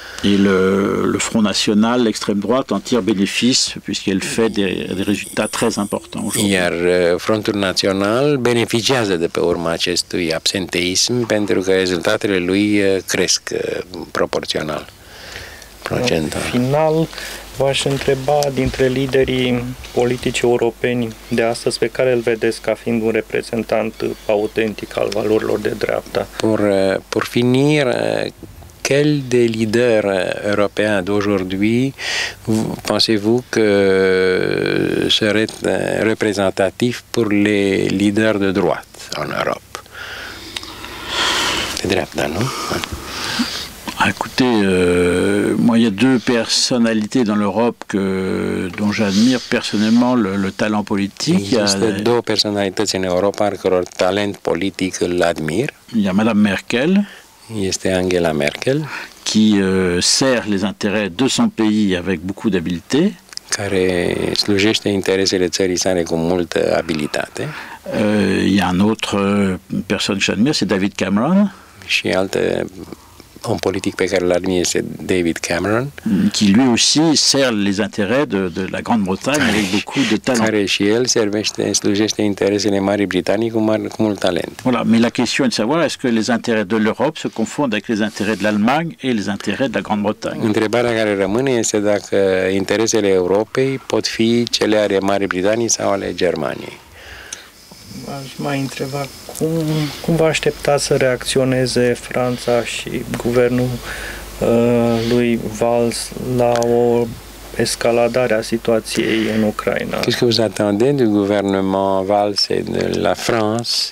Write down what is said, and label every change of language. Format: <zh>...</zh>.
<fr>Et le Front National, l'extrême droite, en tire bénéfice puisqu'elle fait des résultats très importants.</fr> <ro>Iar Frontul Național beneficiază de pe urma acestui absenteism pentru că rezultatele lui cresc proporțional. Procentul. Final, v-aș întreba dintre liderii politici europeni de astăzi pe care îl vedeți ca fiind un reprezentant autentic al valorilor de dreapta.</ro> <fr>Pour finir, quel des leaders européens d'aujourd'hui pensez-vous que serait représentatif pour les leaders de droite en Europe?</fr> <ro>De dreapta, nu?</ro> <fr>Écoutez, moi, il y a deux personnalités dans l'Europe que, dont j'admire personnellement le talent politique. Deux personnalités en Europe que leur talent politique l'admire. Il y a Madame Merkel. Il y a Angela Merkel. Qui sert les intérêts de son pays avec beaucoup d'habileté.</fr> <ro>Care slujește interesele țării sale cu multă abilitate.</ro> <fr>Il y a un autre personne que j'admire, c'est David Cameron.</fr> <ro>Și altă, un politic pe care l-admire,</ro> <fr>c'est David Cameron. Qui lui aussi sert les intérêts de la Grande-Bretagne avec beaucoup de talent.</fr> <ro>Care și el servește, slujește interesele Marii Britanii cu mult talent.</ro> <fr>Voilà, mais la question est de savoir est-ce que les intérêts de l'Europe se confondent avec les intérêts de l'Allemagne et les intérêts de la Grande-Bretagne.</fr> <ro>Întrebarea care rămâne este dacă interesele Europei pot fi cele ale Marii Britanii sau ale Germaniei. Aș mai întreba, cum vă așteptați să reacționeze Franța și guvernul lui Valls la o escaladare a situației în Ucraina?</ro> <fr>Qu'est-ce que vous attendez du gouvernement Valls et de la France?</fr>